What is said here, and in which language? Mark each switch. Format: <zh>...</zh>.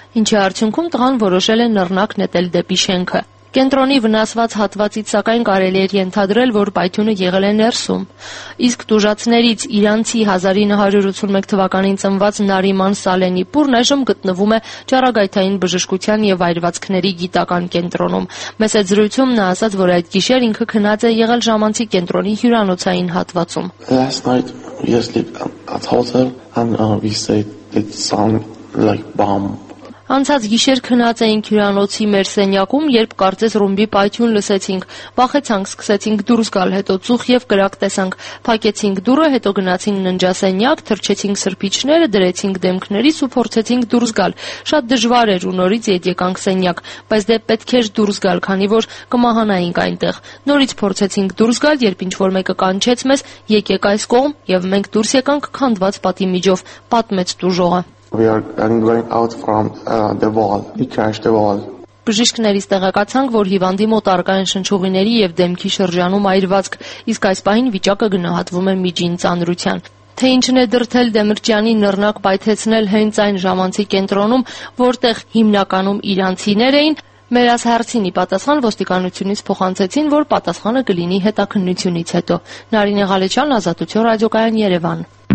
<hy>ինչի արդյունքում տղան որոշել է նռնակ նետել դեպի շենքը։ Կենտրոնի վնասված հատվածից, սակայն, կարելի էր ենթադրել, որ պայթյունը եղել է ներսում։ Իսկ տուժածներից իրանցի 1981 թվականին ծնված Նարիման Սալենի Պուրն այժմ գտնվում է ճառագայթային բժշկության և այրվածքների գիտական կենտրոնում։ Մեզ հետ զրույցում նա ասաց, որ այդ գիշեր ինքը քնած է եղել ժամանցի կենտրոնի հյուրանոցային հատվածում։</hy> <en>Last night we slept at hotel and we said it sounded like bomb.</en> <hy>Անցած գիշեր քնած էինք հյուրանոցի մեր սենյակում, երբ կարծես ռումբի պայթյուն լսեցինք, վախեցանք, սկսեցինք դուրս գալ, հետո ծուխ և կրակ տեսանք, փակեցինք դուռը, հետո գնացինք ննջասենյակ, թրջեցինք սրբիչները, դրեցինք դեմքներիս ու փորձեցինք դուրս գալ, շատ դժվար էր ու նորից ետ եկանք սենյակ, բայց դե պետք էր դուրս գալ, քանի որ կմահանայինք այնտեղ, նորից փորձեցինք դուրս գալ, երբ ինչ-որ մեկը կանչեց մեզ, եկեք այս կողմ, և մենք դուրս եկանք քանդված պատի միջով, պատմեց տուժողը։</hy> <en>We are going out from the wall. We crashed the wall.</en> <hy>Բժիշկներից տեղեկացանք, որ հիվանդի մոտ առկա են շնչուղիների եւ դեմքի շրջանում այրվածք, իսկ այս պահին վիճակը գնահատվում է միջին ծանրության։ Թե ինչն է դրդել Դեմրճյանի նռնակ պայթեցնել հենց այն ժամանցի կենտրոնում, որտեղ հիմնականում իրանցիներ էին, մեր այս հարցին ի պատասխան ոստիկանությունից փոխանցեցին, որ պատասխանը կլինի հետաքննությունից հետո։ Նարինե Ղալեչյան, Ազատություն ռադիոկայան, Երևան։</hy>